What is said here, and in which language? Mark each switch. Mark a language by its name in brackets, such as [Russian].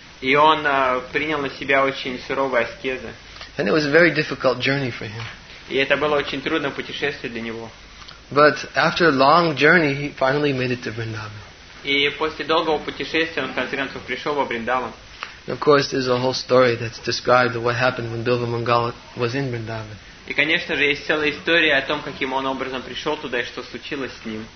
[Russian] И он принял на себя очень суровые аскезы. [English] And it was a very difficult journey for him. [Russian] И это было очень трудное путешествие для него. [English] But after a long journey, he finally made it to Vrindavan. [Russian] И после долгого путешествия он в конце концов пришел во Вриндаван. [English] And of course, there's a whole story that's described of what happened when Bilva Mangala was in Vrindavan. [Russian] И, конечно же, есть целая история о том, каким он образом пришел туда и что случилось с ним.